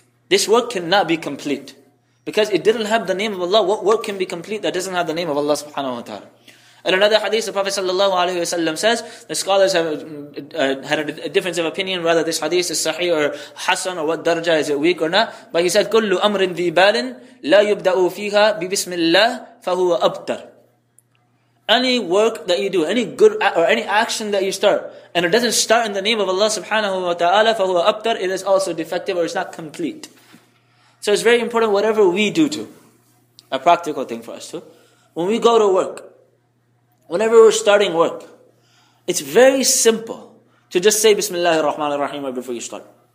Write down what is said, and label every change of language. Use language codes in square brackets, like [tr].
[en] This work cannot be complete. Because it didn't have the name of Allah, what work can be complete that doesn't have the name of Allah subhanahu wa ta'ala? In another hadith, the Prophet sallallahu alayhi wa sallam says, the scholars have had a difference of opinion, whether this hadith is sahih or hasan, or what darja, is it weak or not. But he said, [ar] كُلُّ أَمْرٍ ذِيبَالٍ لَا يُبْدَأُ فِيهَا بِبِسْمِ اللَّهِ فَهُوَ أَبْتَر. [en] Any work that you do, any good or any action that you start, and it doesn't start in the name of Allah subhanahu wa ta'ala, [ar] فَهُوَ أَبْتَرْ, [en] it is also defective or it's not complete. So it's very important whatever we do too. A practical thing for us too. When we go to work, whenever we're starting work, it's very simple to just say Bismillahir Rahmanir Rahim right before you start.